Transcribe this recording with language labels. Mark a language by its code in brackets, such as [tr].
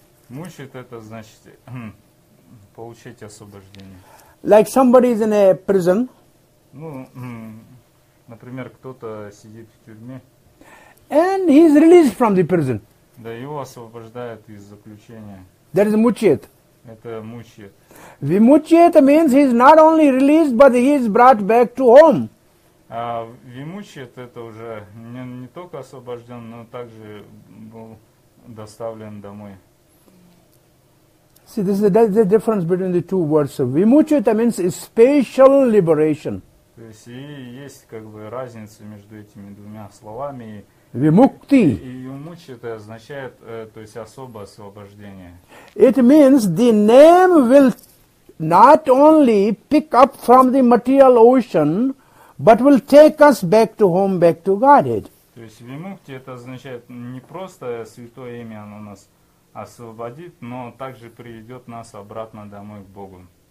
[ru] Mucheta, это значит... получить освобождение. [en] Like somebody is in a prison. [ru] Ну, например, кто-то сидит в тюрьме. [en] And he is released from the prison. [ru] Да, его освобождают из заключения. [en] There is a mucchet. [ru] Это mucchet. [en] Vimucchet means he is not only released, but he is brought back to home. [ru] А vimucchet это уже не только освобожден, но также был доставлен домой. [en] See, this is the difference between the two words. Vimucheta means special liberation. [ru] То есть и есть как бы разница между этими двумя словами. [sa] Vimukti. [ru] И vimucheta означает, то есть особое освобождение. [en] It means the name will not only pick up from the material ocean, but will take us back to home, back to Godhead. [ru] То есть vimukti это означает не просто святое имя, оно у нас освободит, но также приведет нас обратно домой к Богу.